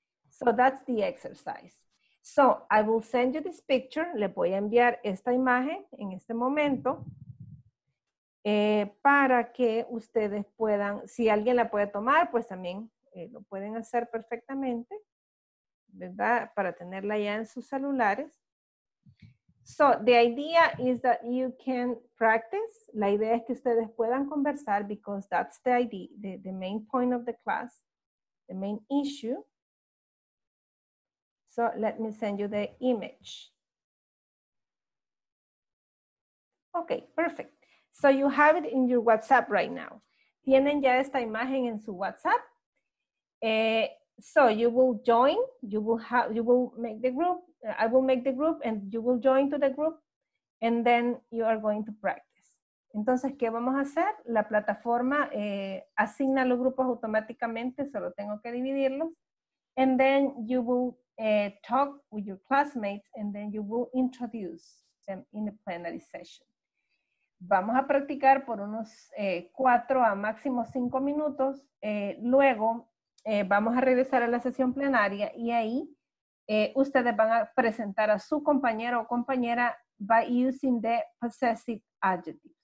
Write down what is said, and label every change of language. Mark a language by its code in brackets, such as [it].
[en] So that's the exercise. So I will send you this picture. [es] Le voy a enviar esta imagen en este momento para que ustedes puedan, si alguien la puede tomar, pues también lo pueden hacer perfectamente, ¿verdad? Para tenerla ya en sus celulares. [en] So, the idea is that you can practice. [es] La idea es que ustedes puedan conversar [en] because that's the idea, the main point of the class, the main issue. So, let me send you the image. Okay, perfect. So, you have it in your WhatsApp right now. [es] Tienen ya esta imagen en su WhatsApp. [en] So, you will join, you will make the group. I will make the group and you will join to the group and then you are going to practice. [es] Entonces, ¿qué vamos a hacer? La plataforma asigna los grupos automáticamente, solo tengo que dividirlos. [en] And then you will talk with your classmates and then you will introduce them in the plenary session. [es] Vamos a practicar por unos 4 a máximo 5 minutos. Luego vamos a regresar a la sesión plenaria y ahí ustedes van a presentar a su compañero o compañera [en] by using the possessive adjective.